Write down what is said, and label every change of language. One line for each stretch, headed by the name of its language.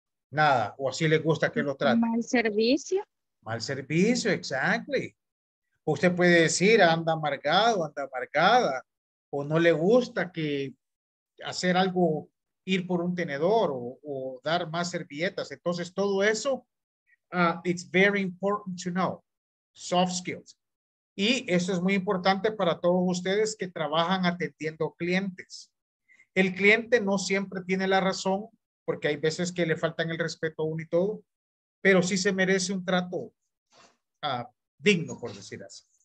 Spanish: Nada. O así le gusta que lo traten. Mal servicio. Mal servicio,
English: exactly.
Spanish: Usted puede decir, anda amargado, anda amargada. O no le gusta que hacer algo, ir por un tenedor o dar más servilletas. Entonces, todo eso,
English: it's very important to know. Soft skills.
Spanish: Y eso es muy importante para todos ustedes que trabajan atendiendo clientes. El cliente no siempre tiene la razón, porque hay veces que le faltan el respeto a uno y todo, pero sí se merece un trato digno, por decir así.